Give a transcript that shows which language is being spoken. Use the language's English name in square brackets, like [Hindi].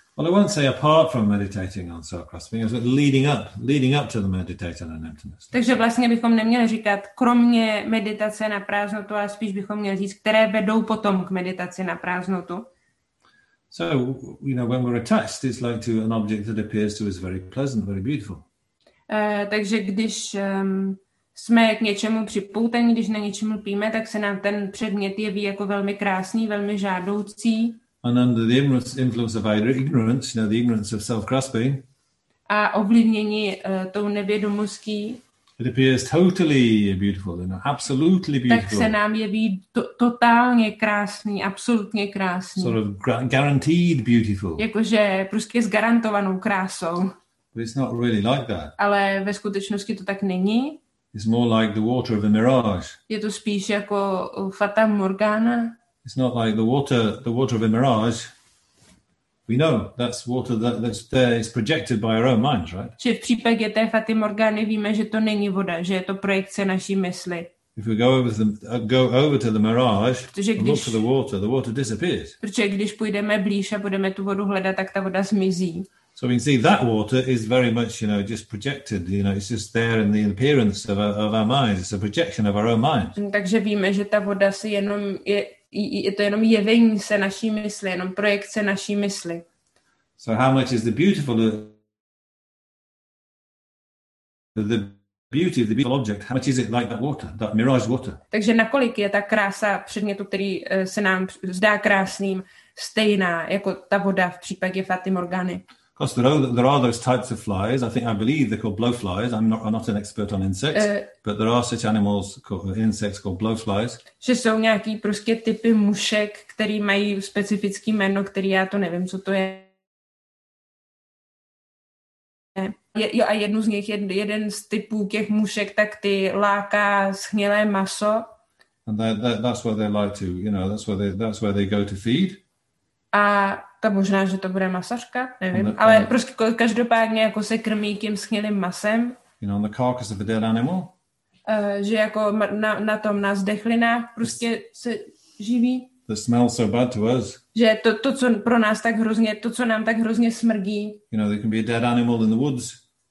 [English] Well, I won't say apart from meditating on self-grasping, because it's leading up to the meditation on emptiness. [Czech] Takže vlastně bychom neměli říkat kromě meditace na prázdnotu, ale spíš bychom měli říct, které vedou potom k meditaci na prázdnotu. [English] So, you know, when we're attached, it's like to an object that appears to us very pleasant, very beautiful. [Czech] Takže když jsme k něčemu připoutaní, když na něčem lpíme, tak se nám ten předmět jeví jako velmi krásný, velmi žádoucí. [English] And under the influence of either ignorance, you know, the ignorance of self-grasping, [Czech] a ovlivnění tou nevědomostí, [English] it appears totally beautiful, you know, absolutely beautiful. [Czech] Tak se nám jeví totálně krásný, absolutně krásný. [English] Sort of guaranteed beautiful. [Czech] Jakože prostě s garantovanou krásou. [English] But it's not really like that. [Czech] Ale ve skutečnosti to tak není. [English] It's more like the water of a mirage. [Czech] Je to spíš jako Fata Morgana. [English] It's not like the water of a mirage. We know that's water that's there is projected by our own minds, right? [Czech] Že v případě té Faty Morgany víme, že to není voda, že je to projekce naší mysli. [English] If we go over to the mirage, [Czech] protože [English] look for the water disappears. [Czech] Protože když půjdeme blíž a budeme tu vodu hledat, tak ta voda zmizí. [English] So we can see that water is very much, you know, just projected, you know, it's just there in the appearance of our minds. It's a projection of our own minds. [Czech] Takže víme, že ta voda si jenom je to jenom jevení se naší mysli, jenom projekce naší mysli. [English] So how much is the beauty of the beautiful object, how much is it like that water, that mirage water? [Czech] Takže nakolik je ta krása předmětu, který se nám zdá krásným, stejná jako ta voda v případě Faty Morgany? [English] Of course, there are those types of flies. I believe they're called blowflies. I'm not an expert on insects, but there are such animals called blowflies. [Czech] Že jsou nějaký prostě typy mušek, který mají specifický jméno, který já to nevím, co to je. A jednu z nich, jeden z typů těch mušek, tak ty láká shnilé maso. [English] And that's where they like to, you know, that's where they go to feed. [Czech] A ta možná, že to bude masařka, nevím, ale prostě každopádně jako se krmí tím shnilým masem. [English] You know, on the carcass of a dead animal. [Czech] Že jako na tom, na zdechlinách prostě se živí. [English] The smell so bad to us. [Czech] Že to, co pro nás tak hrozně, to, co nám tak hrozně smrdí. [English] You know, there can be a dead animal in the woods.